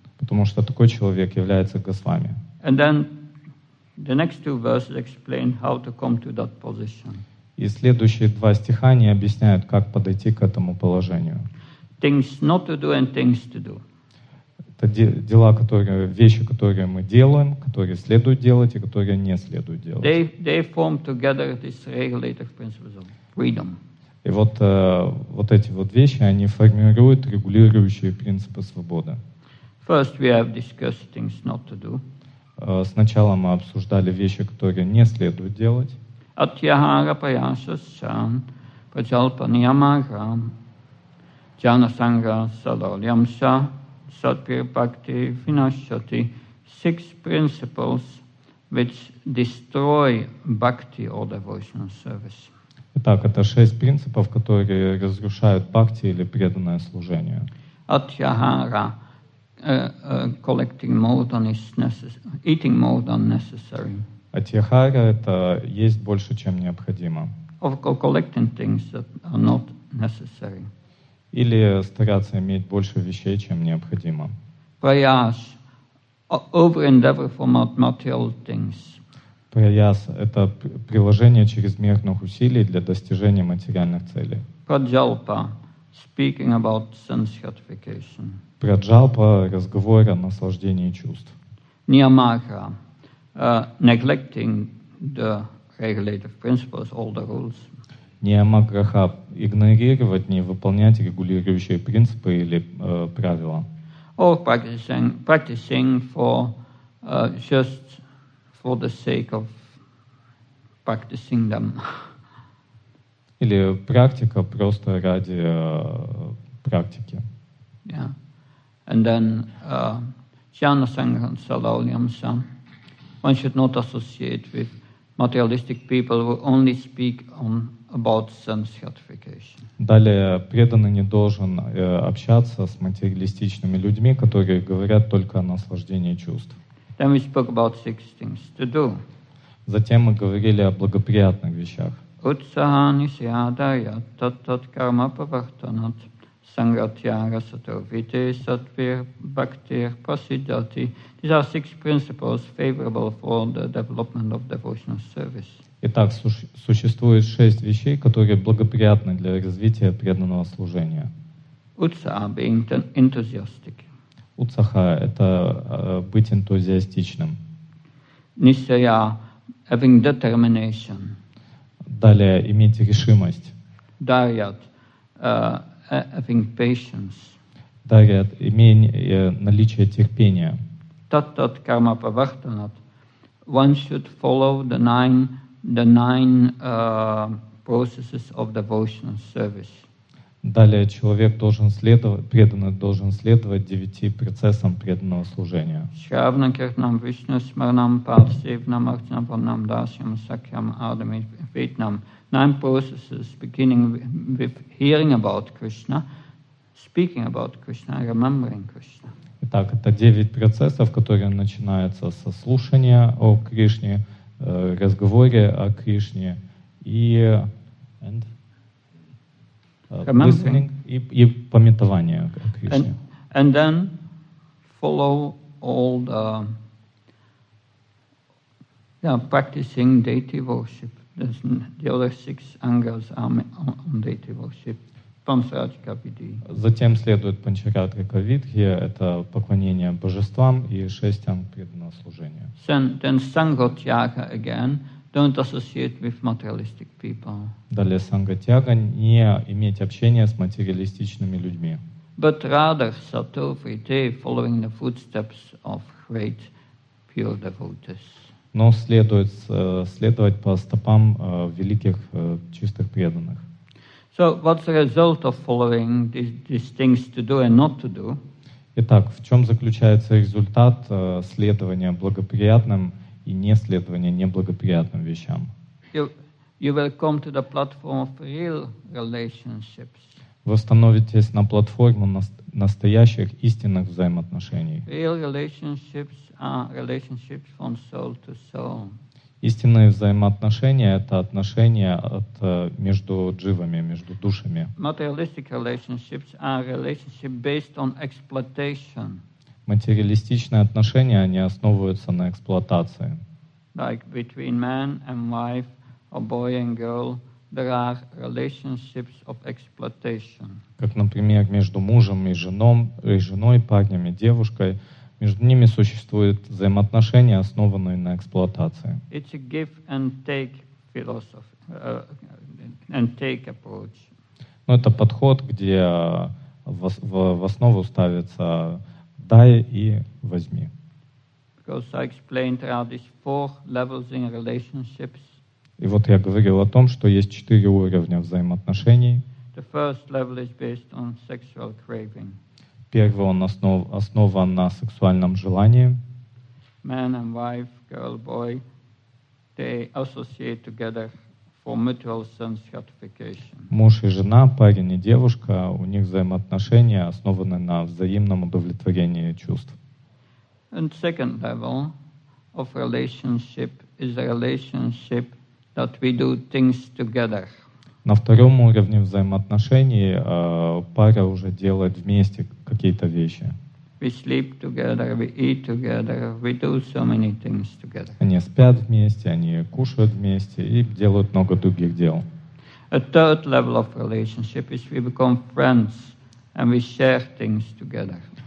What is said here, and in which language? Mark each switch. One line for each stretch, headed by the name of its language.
Russian: Потому что такой человек является Госвами.
English: And then the next two verses explain how to come to that position.
Russian: И следующие два стиха они объясняют, как подойти к этому положению.
English: Things not to do and things to do.
Russian: Это дела, которые, вещи, которые мы делаем, которые следует делать и которые не следует делать.
English: They form together these regulative principles of freedom.
Russian: И вот, вот эти вот вещи, они формируют регулирующие принципы свободы.
English: First we have discussed things not to do.
Russian: Сначала мы обсуждали вещи, которые не следует делать.
Sanskrit: Атьяхара паяса сан паджалпа ниямага джана санга салалям са Satpir Bhakti Vinashati,
English: six principles which destroy bhakti or devotional service.
Russian: Итак, это шесть принципов, которые разрушают бхакти или преданное служение.
English: Atyahara, collecting more than is necessary, eating more than necessary.
Russian: Atyahara – это есть больше, чем необходимо.
English: Of collecting things that are not necessary.
Russian: Или стараться иметь больше вещей, чем необходимо.
English: Prayas, over-endeavor for material things.
Russian: Prayas – это приложение чрезмерных усилий для достижения материальных целей.
English: Prajalpa – speaking about sense gratification.
Russian: Prajalpa – разговор о наслаждении чувств.
English: Niyamaka – neglecting the regulative principles, all the rules.
Russian: Ниямаграха – игнорировать, не выполнять регулирующие принципы или правила.
English: Or practicing for just for the sake of practicing them.
Russian: Или практика просто ради практики.
English: Yeah. And then Jhana Sangha and Salalyam Sam. One should not associate with materialistic people who only speak on about sense gratification.
Russian: Далее преданный не должен общаться с материалистичными людьми, которые говорят только о наслаждении чувств.
English: Then we spoke about six things to do.
Russian: Затем мы говорили о благоприятных вещах.
Sanskrit: Utsahani siyadaya tattat karma pavartanat sangatyaga satovite satvir bhaktir prasidyati.
English: These are six principles favorable for the development of devotional service.
Russian: Итак, существует шесть вещей, которые благоприятны для развития преданного служения.
English: Utsaha being enthusiastic.
Russian: Utsaha – это быть энтузиастичным.
English: Nisaya – having determination.
Russian: Далее, иметь решимость.
English: Dharyat – having patience.
Russian: Dharyat – иметь наличие терпения.
Sanskrit: Tattat karma pavartanat.
English: One should follow the nine processes of devotional service.
Russian: Далее, человек должен следовать, преданный должен следовать девяти процессам преданного служения.
Sanskrit: Шравна киртнам вишну смарнам парсивнам арчнам варнам дасьям сакьям адами витнам.
English: Nine processes beginning with hearing about Krishna, speaking about Krishna, remembering Krishna.
Russian: Итак, это девять процессов, которые начинаются со слушания о Кришне, разговоре о Кришне и listening и памятование о Кришне.
English: And then follow all the practicing deity worship. The other six angles are on deity worship.
Sanskrit: Панчарадхика Видхи.
Russian: Затем следует Панчарадхика Видхи, это поклонение божествам и шесть анг преданного служения.
English: Then Сангхотьяга again. Don't associate with materialistic people.
Russian: Далее сангатьяга – не иметь общения с материалистичными людьми.
English: But rather satovite, following the footsteps of great pure devotees.
Russian: Но следует следовать по стопам великих чистых преданных.
English: So what's the result of following these things to do and not to do?
Russian: Итак, в чем заключается результат следования благоприятным и не следование неблагоприятным вещам.
English: You will come to the platform of real relationships.
Russian: Вы становитесь на платформу настоящих истинных взаимоотношений.
English: Real relationships are relationships from soul to soul.
Russian: Истинные взаимоотношения – это отношения между дживами, между душами.
English: Materialistic relationships are relationships based on exploitation.
Russian: Материалистичные отношения, они основываются на эксплуатации.
English: Like between man and wife, or boy and girl, there are relationships of exploitation.
Russian: Как, например, между мужем и женой, парнем и девушкой, между ними существуют взаимоотношения, основанные на эксплуатации.
English: It's a give and take philosophy, and take approach.
Russian: Ну, это подход, где в основу ставится дай и возьми.
English: Because I explained there are these four levels in relationships.
Russian: И вот я говорил о том, что есть четыре уровня взаимоотношений.
English: The first level is based on sexual craving.
Russian: Первый он основан на сексуальном желании.
English: Man and wife, girl, boy, they associate together for mutual sense gratification.
Russian: Муж и жена, парень и девушка, у них взаимоотношения основаны на взаимном удовлетворении чувств.
English: And second level of relationship is a relationship that we do things together.
Russian: На втором уровне взаимоотношений пара уже делает вместе какие-то вещи.
English: We sleep together, we eat together, we do so many things together.
Russian: Они спят вместе, они кушают вместе и делают много других дел.
English: A third level of relationship is we become friends and we share things together.